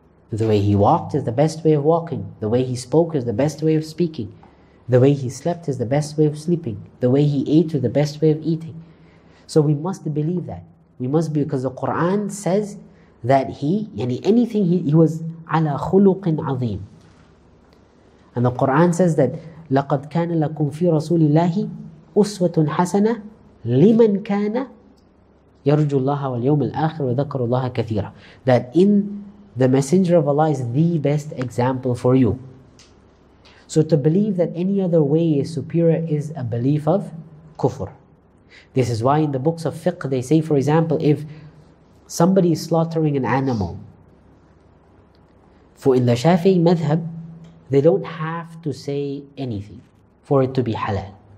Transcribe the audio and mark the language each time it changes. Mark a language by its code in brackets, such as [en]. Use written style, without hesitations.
[en] The way he walked is the best way of walking. The way he spoke is the best way of speaking. The way he slept is the best way of sleeping. The way he ate is the best way of eating. So we must believe that. We must be, because the Quran says that he was [ar] ala khuluqin azim. [en] And the Quran says that [ar] لَقَدْ كَانَ لَكُمْ فِي رَسُولِ اللَّهِ أُسْوَةٌ حَسَنَةٌ لِمَنْ كَانَ يَرْجُ اللَّهَ وَالْيَوْمِ الْآخِرِ وَذَكَرُ اللَّهَ كَثِيرًا. [en] That in the Messenger of Allah is the best example for you. So to believe that any other way is superior is a belief of kufr. This is why in the books of fiqh they say, for example, if somebody is slaughtering an animal, for in the Shafi'i madhab, they don't have to say anything for it to be halal.